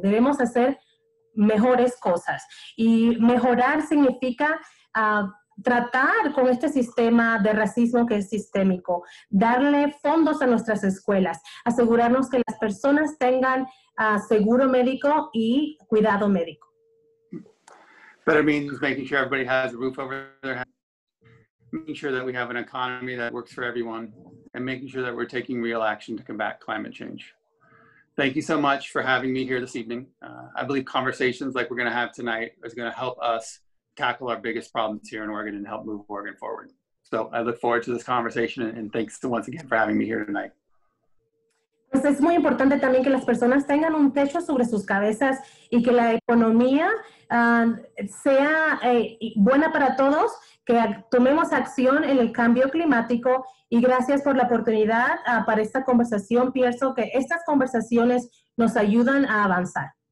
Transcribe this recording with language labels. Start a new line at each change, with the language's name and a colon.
Spanish: Debemos hacer mejores cosas. Y mejorar significa tratar con este sistema de racismo que es sistémico, darle fondos a nuestras escuelas, asegurarnos que las personas tengan seguro médico y cuidado médico.
English: But it means making sure everybody has a roof over their head, making sure that we have an economy that works for everyone, and making sure that we're taking real action to combat climate change. Thank you so much for having me here this evening. I believe conversations like we're going to have tonight is going to help us tackle our biggest problems here in Oregon and help move Oregon forward. So I look forward to this conversation, and thanks once again for having me here tonight.
Spanish: Pues es muy importante también que las personas tengan un techo sobre sus cabezas y que la economía sea buena para todos, que tomemos acción en el cambio climático. Y gracias por la oportunidad para esta conversación. Pienso que estas conversaciones nos ayudan a avanzar.